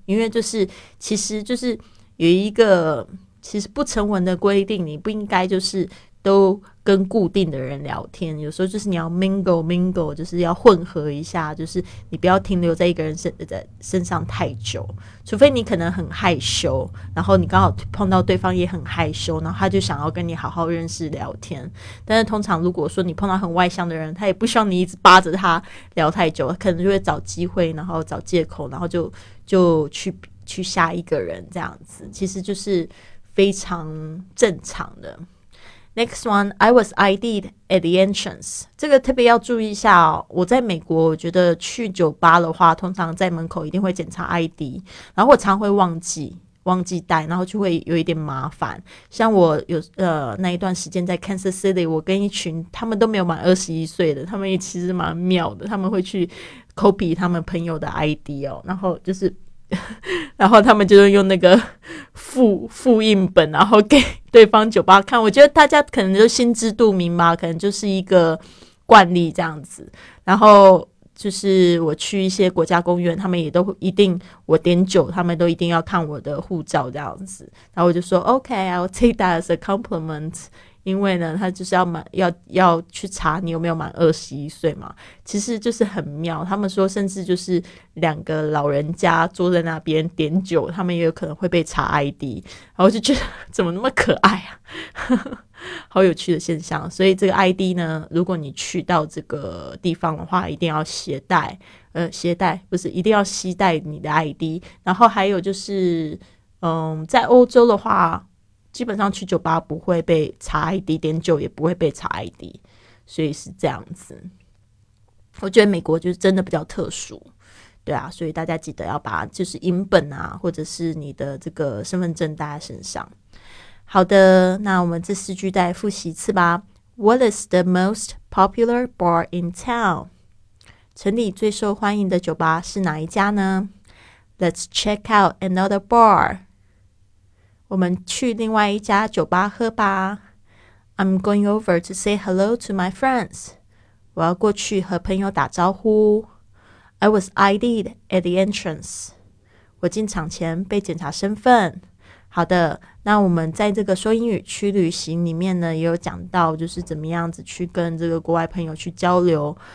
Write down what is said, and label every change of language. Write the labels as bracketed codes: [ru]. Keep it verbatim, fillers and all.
[zh] 因为就是其实就是有一个其实不成文的规定，你不应该就是都跟固定的人聊天，有时候就是你要 [en] mingle mingle， [zh] 就是要混合一下，就是你不要停留在一个人身在身上太久，除非你可能很害羞，然后你刚好碰到对方也很害羞，然后他就想要跟你好好认识聊天。但是通常如果说你碰到很外向的人，他也不希望你一直扒着他聊太久，可能就会找机会，然后找借口，然后就就去去下一个人这样子，其实就是非常正常的。 [en] Next one, I was I D'd at the entrance. [zh] 这个特别要注意一下哦。我在美国，我觉得去酒吧的话，通常在门口一定会检查 I D， 然后我常会忘记忘记带，然后就会有一点麻烦。像我有呃那一段时间在 Kansas City， 我跟一群他们都没有满二十一岁的，他们也其实蛮妙的，他们会去 copy 他们朋友的 I D 哦，然后就是。然后他们就是用那个复复印本，然后给对方酒吧看。我觉得大家可能就心知肚明吧，可能就是一个惯例这样子。然后就是我去一些国家公园，他们也都一定我点酒，他们都一定要看我的护照这样子。然后我就说 [en] OK, I'll take that as a compliment。 [zh] 因为呢，他就是要满要要去查你有没有满二十一岁嘛，其实就是很妙。他们说，甚至就是两个老人家坐在那边点酒，他们也有可能会被查 I D。然后就觉得怎么那么可爱啊，好有趣的现象。所以这个 I D 呢，如果你去到这个地方的话，一定要携带，呃，携带不是一定要携带你的 I D。然后还有就是，嗯，在欧洲的话。基本上去酒吧不会被查 I D， 点酒也不会被查 I D， 所以是这样子。我觉得美国就是真的比较特殊，对啊，所以大家记得要把就是银本啊，或者是你的这个身份证带在身上。好的，那我们这四句再复习一次吧。 [en] What is the most popular bar in town？ [zh] 城里最受欢迎的酒吧是哪一家呢？ [en] Let's check out another bar。 [zh] 我们去另外一家酒吧喝吧。 [en] I'm going over to say hello to my friends. [zh] 我要过去和朋友打招呼。 [en] I was I D'd at the entrance. [zh] 我进场前被检查身份。好的，那我们在这个说英语去旅行里面呢，也有讲到就是怎么样子去跟这个国外朋友去交流。